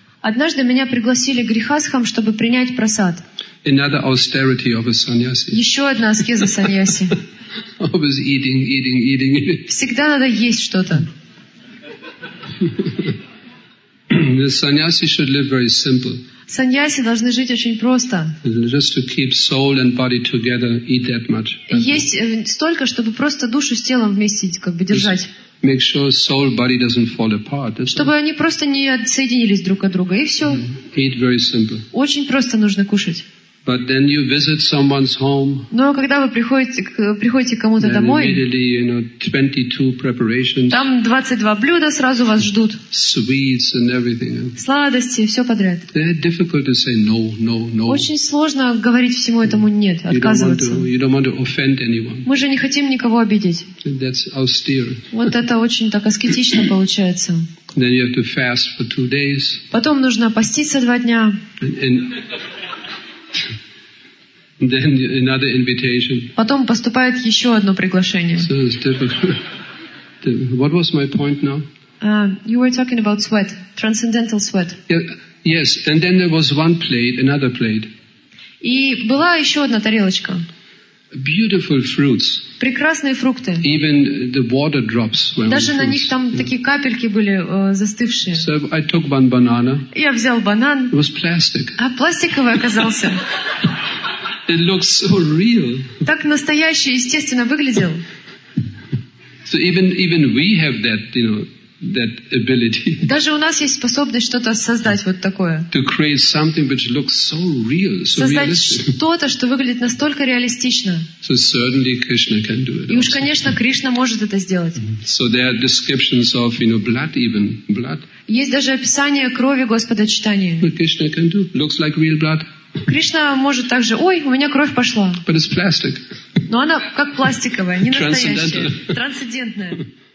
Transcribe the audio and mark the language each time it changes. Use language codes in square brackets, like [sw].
[ru] Однажды меня пригласили грехасхам, чтобы принять просад. [en] Another austerity of a sannyasi. [ru] Еще одна аскеза саньяси. [en] Always eating, eating, eating. [ru] Всегда надо есть что-то. [en] The sannyasi should live very simple. [ru] Саньяси должны жить очень просто. [en] Just to keep soul and body together, eat that much. [ru] Есть столько, чтобы просто душу с телом вместе как бы держать. [en] Make sure soul body doesn't fall apart. [ru] Чтобы они просто не отсоединились друг от друга и все. [en] Eat very simple. [ru] Очень просто нужно кушать. [en] But then you visit someone's home. [ru] Но когда вы приходите к кому-то домой, [en] immediately, you know, 22 preparations. [ru] Там 22 блюда сразу вас ждут. [en] Sweets and everything. [ru] Сладости, все подряд. [en] It's difficult to say no, no, no. [ru] Очень сложно говорить всему этому нет, отказываться. [en] You don't want to offend anyone. [ru] Мы же не хотим никого обидеть. [en] That's austere. [ru] Вот это очень так аскетично получается. [en] Then you have to fast for 2 days. [ru] Потом нужно поститься 2 дня. [en] Then another invitation. [ru] Потом поступает еще одно приглашение. [en] So it's difficult. What was my point now? You were talking about sweat, transcendental sweat. Yeah, yes, and then there was one plate, another plate. [ru] И была еще одна тарелочка. [en] Beautiful fruits. [ru] Прекрасные фрукты. [en] Even the water drops were on. [ru] Даже на них там такие капельки были застывшие. [en] So I took one banana. [ru] Я взял банан. [en] It was plastic. [ru] А пластиковый оказался. [en] It looks so real. [ru] Так настоящий, естественно выглядел. [en] So even we have that, you know, that ability. [ru] Даже у нас есть способность что-то создать вот такое. [en] To create something which looks so real, so realistic. [ru] Создать что-то, что выглядит настолько реалистично. [en] So certainly Krishna can do it. [ru] И уж конечно Кришна может это сделать. [en] So there are descriptions of, you know, blood, even blood. [ru] Есть даже описание крови Господа Чайтаньи. [en] But Krishna can do. Looks like real blood. [ru] Кришна может также, ой, у меня кровь пошла. [en] But it's plastic. [ru] Но она как пластиковая, не настоящая, трансцендентная.